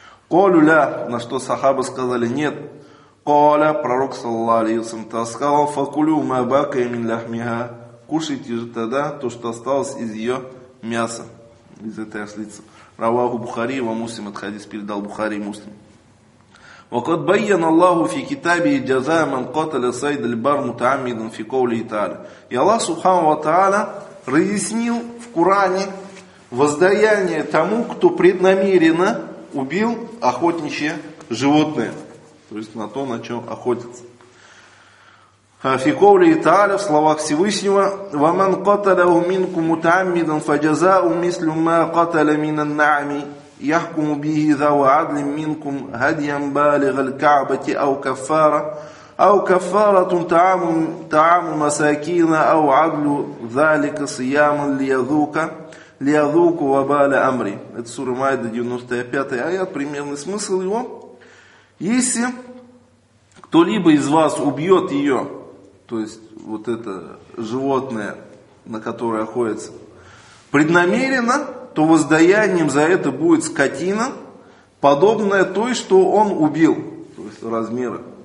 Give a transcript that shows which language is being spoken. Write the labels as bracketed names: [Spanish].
[Russian] Колю ля, на что сахабы сказали, нет. Коля, пророк саллаллаху алейхи ва саллям, та сказал, факулю ма бакая мин ляхмиха, кушайте же тогда то, что осталось из ее мяса, из этой ослицы. Раваху Бухари, ва муслим, от хадис передал Бухари и муслим. [Arabic] وقد بين الله في كتابه جزاء من قتل صيد البر متعمدا في قوله تعالى. [Russian] И Аллах Субхану ва Тааля разъяснил в Коране воздаяние тому, кто преднамеренно убил охотничье животное, то есть на то, на чем охотится. [Arabic] في قوله تعالى, в словах Всевышнего, ومن قتل منكم متعمدا فجزاء مثل ما قتل من النعم يحكم به ذو عدل منكم هديا بالغ الكعبة أو كفارة طعام مساكين أو عدل ذلك صياما ليذوق وبال أمري. [Russian] Это сура Майда, 95-й аят, примерный смысл его. Если кто-либо из вас убьет ее, то есть вот это животное, на которое охотится, преднамеренно, то воздаянием за это будет скотина, подобная той, что он убил, то есть размеры.